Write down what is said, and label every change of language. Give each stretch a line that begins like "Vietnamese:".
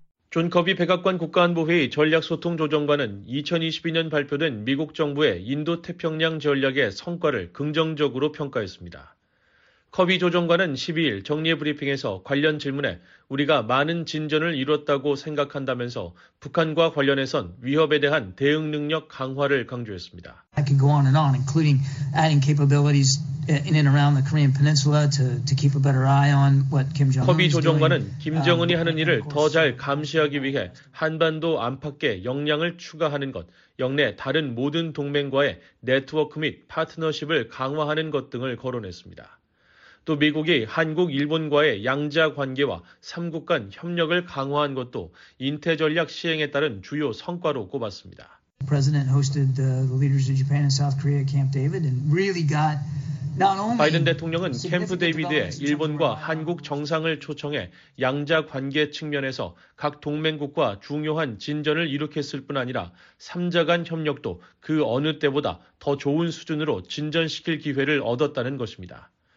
Korean: 존 커비 백악관 국가안보회의 전략소통조정관은 2022년 발표된 미국 정부의 인도태평양 전략의 성과를 긍정적으로 평가했습니다. 커비 조정관은 12일 정례 브리핑에서 관련 질문에 우리가 많은 진전을 이뤘다고 생각한다면서 북한과 관련해선 위협에 대한 대응 능력 강화를 강조했습니다.
English: I can go on and on, including adding capabilities in and around the Korean Peninsula to keep a better eye on what Kim Jong-un.
Korean: 커비 조정관은 김정은이 하는 일을 더 잘 감시하기 위해 한반도 안팎에 역량을 추가하는 것, 영내 다른 모든 동맹과의 네트워크 및 파트너십을 강화하는 것 등을 거론했습니다. 또 미국이 한국, 일본과의 양자 관계와 3국 간 협력을 강화한 것도 인태 전략 시행에 따른 주요 성과로 꼽았습니다.
English: The president hosted the leaders of Japan and South Korea at Camp David and really got not only
Korean: 바이든 대통령은 캠프 데이비드에 일본과 한국 정상을 초청해 양자 관계 측면에서 각 동맹국과 중요한 진전을 일으켰을 뿐 아니라 3자 간 협력도 그 어느 때보다 더 좋은 수준으로 진전시킬 기회를 얻었다는 것입니다.